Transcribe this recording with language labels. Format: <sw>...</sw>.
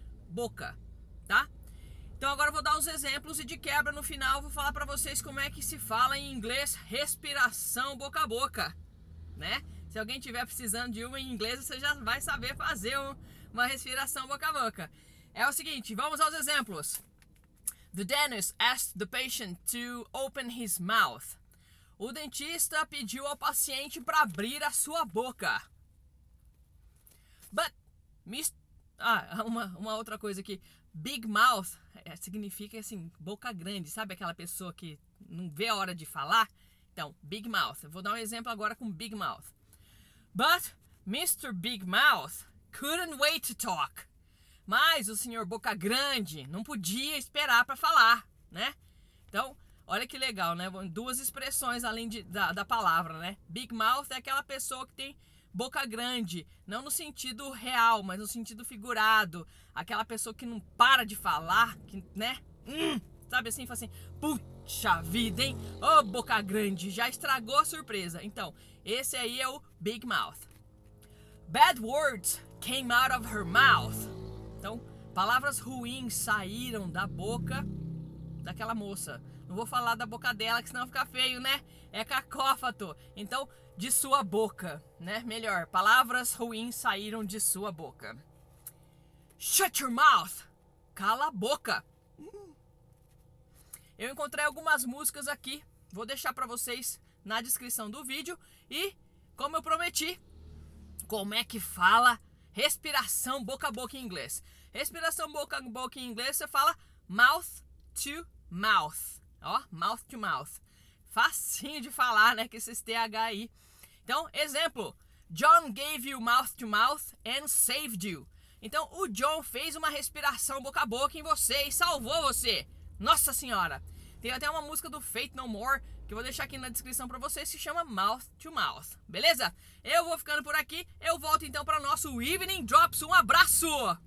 <pt>Boca, tá? Então agora eu vou dar uns exemplos e de quebra no final eu vou falar pra vocês como é que se fala em inglês respiração boca a boca, né? Se alguém tiver precisando de uma em inglês, você já vai saber fazer uma respiração boca a boca. É o seguinte, vamos aos exemplos.</pt> <en>The dentist asked the patient to open his mouth.</en> <pt>O dentista pediu ao paciente pra abrir a sua boca.</pt> <en>But, Mr.</en> <pt>Ah, uma outra coisa aqui. Big mouth significa, assim, boca grande. Sabe aquela pessoa que não vê a hora de falar? Então, big mouth. Eu vou dar um exemplo agora com big mouth.</pt> <en>But Mr. Big Mouth couldn't wait to talk.</en> <pt>Mas o senhor boca grande não podia esperar para falar, né? Então, olha que legal, né? Duas expressões além da palavra, né? Big mouth é aquela pessoa que tem boca grande, não no sentido real, mas no sentido figurado. Aquela pessoa que não para de falar, que, né? Sabe assim, fala assim, puxa vida, hein? Ô, boca grande, já estragou a surpresa. Então, esse aí é o big mouth.</pt> <en>Bad words came out of her mouth.</en> <pt>Então, palavras ruins saíram da boca daquela moça. Não vou falar da boca dela, que senão fica feio, né? É cacófato. Então, de sua boca, né? Melhor, palavras ruins saíram de sua boca.</pt> <en>Shut your mouth!</en> <pt>Cala a boca! Eu encontrei algumas músicas aqui. Vou deixar pra vocês na descrição do vídeo. E, como eu prometi, como é que fala respiração boca a boca em inglês? Respiração boca a boca em inglês, você fala mouth to mouth. Ó, mouth to mouth. Facinho de falar, né? Que esses TH aí. Então, exemplo,</pt> <en>John gave you mouth to mouth and saved you.</en> <pt>Então, o John fez uma respiração boca a boca em você e salvou você. Nossa senhora! Tem até uma música do Faith No More, que eu vou deixar aqui na descrição pra vocês, que se chama Mouth to Mouth. Beleza? Eu vou ficando por aqui, eu volto então para o nosso Evening Drops. Um abraço!</pt>